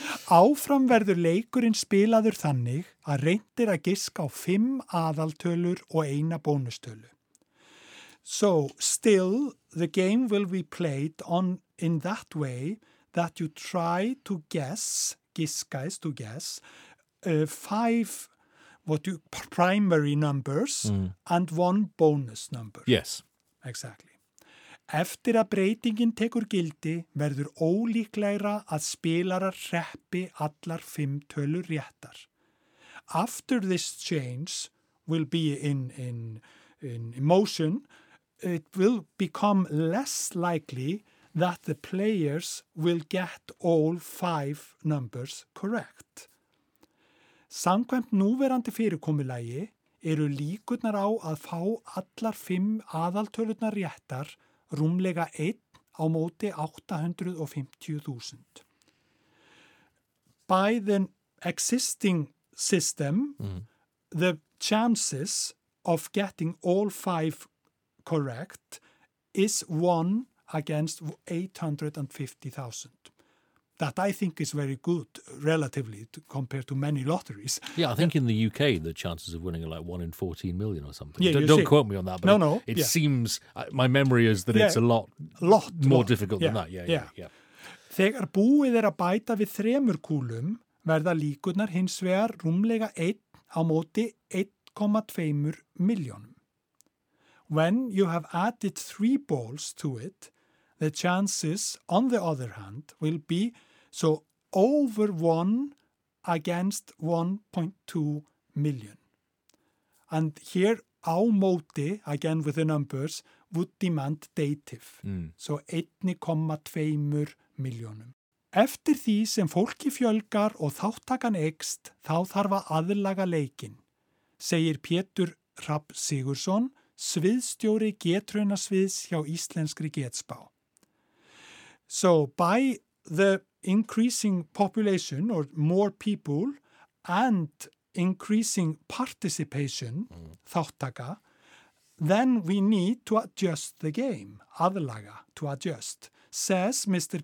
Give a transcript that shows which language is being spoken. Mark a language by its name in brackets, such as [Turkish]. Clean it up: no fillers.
[Icelandic] Áfram verður leikurinn spilaður þannig að reynt að giska á fimm aðaltölur og eina bónustölu. [English] So still the game will be played on in that way that you try to guess, giska is to guess, five primary numbers and one bonus number. Yes. Exactly. [Icelandic] Eftir að breytingin tekur gildi verður ólíklegra að spilarar hreppi allar fimm tölur réttar. [English] After this change will be in motion, it will become less likely that the players will get all five numbers correct. [Icelandic] Samkvæmt núverandi fyrirkomulagi eru líkurnar á að fá allar fimm aðaltölurnar réttar rúmlega 1 á móti 850,000. [English] By the existing system, the chances of getting all five correct is 1 against 850,000. That I think is very good, relatively, compared to many lotteries. Yeah, I think in the UK, the chances of winning are like 1 in 14 million or something. Yeah, don't quote me on that, but it seems, my memory is that it's a lot more difficult than that. [Icelandic] Þegar búið að bæta við þremur kúlum, verða líkurnar hins vegar rúmlega 1 á móti 1,2 miljónum. [English] When you have added three balls to it, the chances, on the other hand, will be so over 1 against 1.2 million. And here, á móti, again with the numbers, would demand dative. So 1,2 miljónum. [Icelandic] Eftir því sem fólki fjölgar og þáttakan ekst, þá þarf að aðlaga leikinn, segir Pétur Rapp Sigursson, sviðstjóri getraunasviðs hjá íslenskri getspá. [English] So by the increasing population or more people and increasing participation, þáttaka, then we need to adjust the game, aðlaga, to adjust, says Mr.